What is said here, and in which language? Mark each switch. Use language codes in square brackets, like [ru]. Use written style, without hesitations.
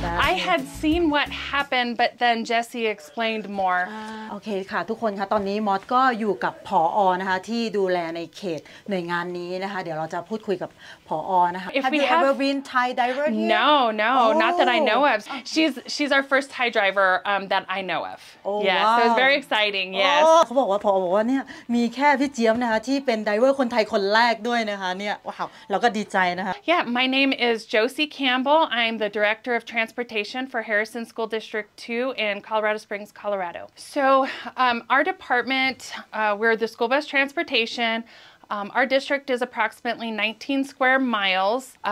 [en] I had seen what happened, but then Jesse explained more. [th] Okay, ค่ะทุกคนค่ะตอนนี้มอสก็อยู่กับผอ.นะคะที่ดูแลในเขตหน่วยงานนี้นะคะเดี๋ยวเราจะพูดคุยกับผอ.นะคะ [en] Have you ever been Thai driver here? No, not that I know of. She's our first Thai driver that I know of. Oh, yes, wow. So it's very exciting, yes. [th] เขาบอกว่าผอ.บอกว่าเนี่ยมีแค่พี่เจี๊ยบนะคะที่เป็นไดรเวอร์คนไทยคนแรกด้วยนะคะเนี่ยว้าวเราก็ดีใจนะคะ [en] Yeah, my name is Josie Campbell. I'm the Director of Transportation. For Harrison School District 2 in Colorado Springs, Colorado. So, our department, we're the school bus transportation. Our district is approximately 19 square miles.